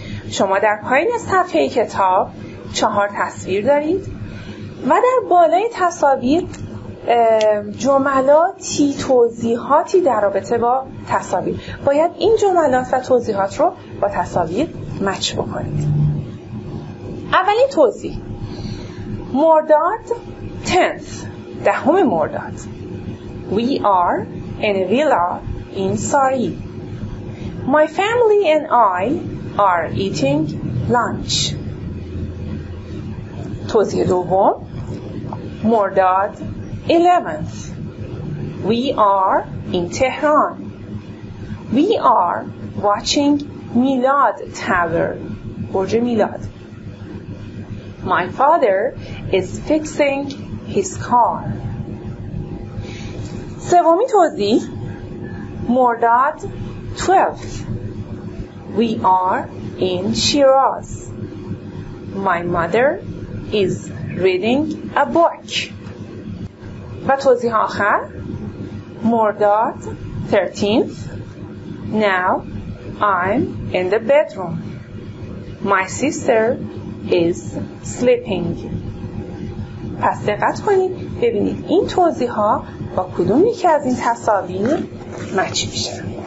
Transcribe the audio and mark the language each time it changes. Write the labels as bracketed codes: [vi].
[fa] شما در پایین صفحه کتاب 4 تصویر دارید و در بالای تصاویر جملاتی توضیحاتی در رابطه با تصاویر. باید این جملات و توضیحات رو با تصاویر مچ بکنید. اولی توضیح: مرداد 10th، دهم مرداد. [en] We are in a villa in Sari. My family and I are eating lunch. [fa] توضیح دوم: مرداد 11th. [en] We are in Tehran. We are watching Milad Tower. [fa] برج میلاد. [en] My father is fixing his car. [fa] سومی توضیح: مرداد 12th. [en] We are in Shiraz. My mother is reading a book. [fa] و توضیح آخر: مرداد 13th. [en] Now I'm in the bedroom. My sister is sleeping. [fa] پس دقت کنید ببینید این توضیح ها با کدوم یکی از این تصاویر مچ میشه.